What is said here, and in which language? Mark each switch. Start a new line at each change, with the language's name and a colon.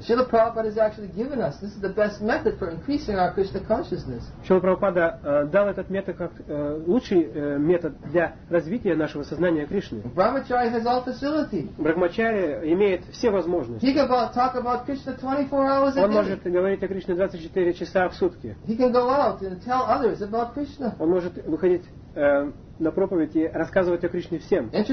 English: Srila Prabhupada has actually given us. This is the best method for increasing our Krishna consciousness.
Russian: Srila Prabhupada дал этот метод как лучший метод для развития нашего сознания Кришны.
English: Brahmacharya has all facility.
Russian: Брахмачари имеет все возможности.
English: He can talk about Krishna 24 hours a day.
Russian: Он может говорить о Кришне 24 часа в сутки.
English: He can go out and tell others about Krishna.
Russian: Он может выходить на проповедь и рассказывать о Кришне всем.